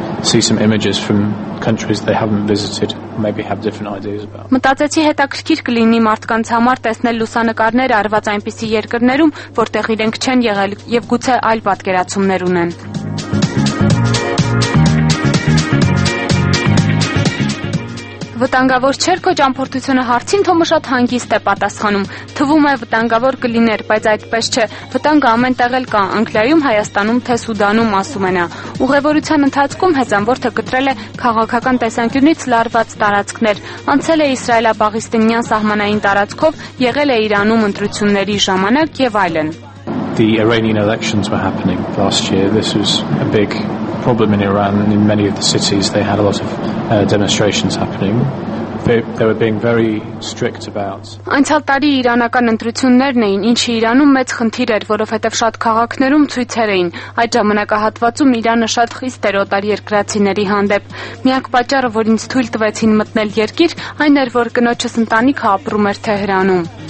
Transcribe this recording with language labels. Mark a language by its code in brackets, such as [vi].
[en] See some images from countries they haven't visited, maybe have different ideas about. [hy] Մտածեցի հետաքրքիր կլինի մարդկանց համար տեսնել լուսանկարներ արված այնպիսի երկրներում, որտեղ իրենք չեն եղել եւ գուցե այլ պատկերացումներ ունեն։ Վտանգավոր չէր քո ճամփորդությունը, հարցին Թոմը շատ հանգիստ է պատասխանում։ Թվում է վտանգավոր կլիներ, բայց այդպես չէ։ Վտանգը ամենտեղ էլ կա՝ Անգլիայում, Հայաստանում, թե Սուդանում, ասում է նա։ Ուղևորության ընթացքում հեծանվորդը կտրել է քաղաքական տեսանկյունից լարված տարածքներ, անցել է Իսրայելա-Պաղեստինյան սահմանային տարածքով, եղել է Իրանում ընտրությունների ժամանակ եւ այլն։ [en] The Iranian elections were happening last year. This was a big problem in Iran, and in many of the cities they had a lot of demonstrations happening. They were being very strict about. [hy] Անցյալ տարի իրանական ընտրություններն էին, ինչը Իրանում մեծ խնդիր էր, որովհետև շատ քաղաքներում ցույցեր էին։ Այդ ժամանակահատվածում Իրանը շատ խիստ էր օտար երկրացիների հանդեպ։ Միակ պատճառը, որ ինձ թույլ տվեցին մտնել երկիր, այն էր, որ կնոջս ընտանիքը ապրում էր Թեհրանում։